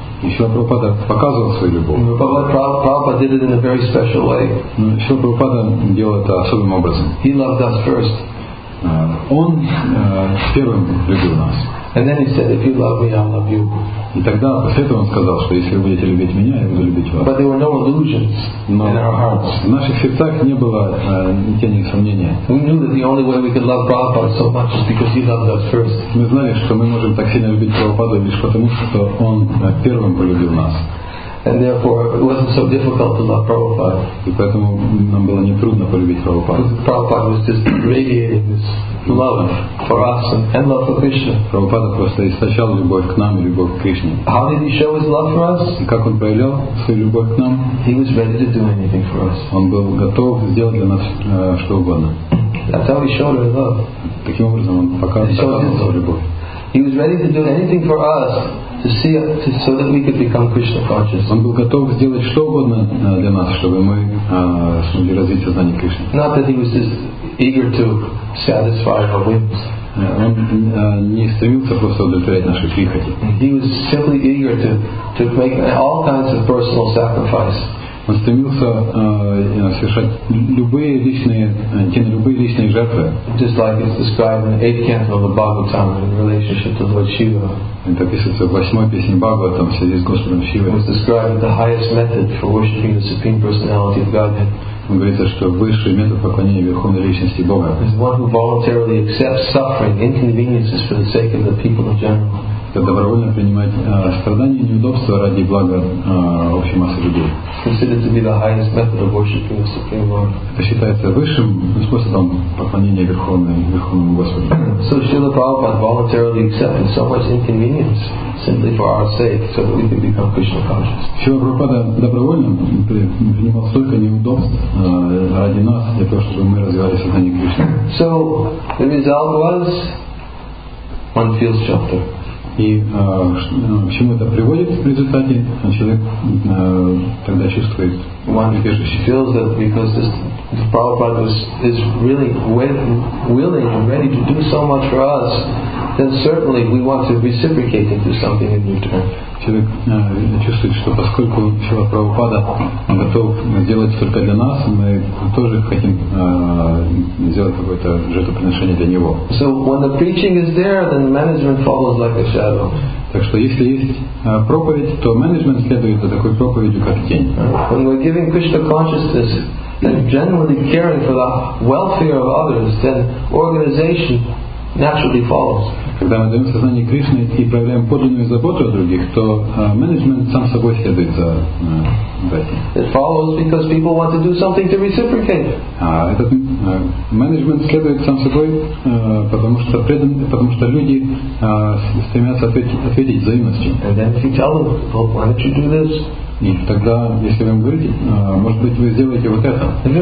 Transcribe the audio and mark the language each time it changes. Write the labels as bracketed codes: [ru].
[ru] И Шрила Прабхупада показывал свою любовь. [en] Прабхупада did it in a very special way. [ru] Шрила Прабхупада делал это особым образом. [en] He loved us first. [ru] Он первым любил нас. [en] And then he said, if you love me, I'll love you. [ru] И тогда после этого он сказал, что если вы будете любить меня, я буду любить вас. [en] But there were no illusions in our hearts. [ru] В наших сердцах не было никаких сомнений. [en] We knew that the only way we could love Prabhupada so much is because he loved us first. [ru] Мы знали, что мы можем так сильно любить Прабхупаду лишь потому, что он первым полюбил нас. [en] And therefore, it wasn't so difficult to love Prabhupada. [ru] И поэтому нам было не трудно полюбить Прабхупаду. [en] Prabhupada was just radiating this love for us and love for Krishna. [ru] Прабхупада просто источал любовь к нам и любовь к Кришне. [en] How did he show his love for us? [ru] И как он проявлял свою любовь к нам? [en] He was ready to do anything for us. [ru] Он был готов сделать для нас что угодно. [en] That's how he showed his love. [ru] Таким образом он показывал свою любовь. [en] He was ready to do anything for us. So that we could become Krishna conscious. [ru] Он был готов сделать что угодно для нас, чтобы мы смогли развить сознание Кришны. [en] Not that he was just eager to satisfy our whims. [ru] Он не стремился просто удовлетворять наши прихоти. [en] He was simply eager to make all kinds of personal sacrifice. [ru] Он стремился совершать любые личные жертвы. [en] Just like it's described in the 8th canto of the Bhagavatam in relationship to Lord Shiva. [ru] Это описывается в 8-й песне Бхагавата в связи с Господом Шивой. [en] It was described the highest method for worshiping the Supreme Personality of Godhead. [ru] Он говорит, что высший метод поклонения Верховной Личности Бога. [en] Is one who voluntarily accepts suffering, inconveniences for the sake of the people in general. [ru] добровольно принимать страдания и неудобства ради блага общей массы людей. [en] It's considered to be the highest method of worshiping the Supreme Lord. [ru] Это считается высшим способом поклонения Верховному Господу. [en] So Srila Prabhupada voluntarily accepted so much inconvenience simply for our sake so that we can become Krishna conscious. [ru] Srila Prabhupada добровольно принимал столько неудобств ради нас для того, чтобы мы развивали сознание Кришны. [en] So the result was one feels shelter. [ru] И к чему это приводит в результате? Человек тогда чувствует убежище. [en] Feels that because this Prabhupada is really willing and ready to do so much for us, then certainly we want to reciprocate and do something in return. [ru] Человек чувствует, что поскольку Шрила Прабхупада готов сделать столько для нас, мы тоже хотим сделать какое-то жертвоприношение для него. [en] So when the preaching is there, then the management follows like a shadow. [ru] Так что если есть проповедь, то менеджмент следует за такой проповедью, как тень. [en] When we're giving Krishna consciousness and genuinely caring for the welfare of others, then organization naturally follows. [ru] Когда мы даем сознание Кришне и проявляем подлинную заботу о других, то менеджмент сам собой следует за этим. [en] It follows because people want to do something to reciprocate. [ru] Этот менеджмент следует сам собой, потому что люди стремятся ответить взаимностью. [en] And then if you tell them, well, why don't you do this? [ru] И тогда, если вы им говорите, может быть, вы сделаете вот это.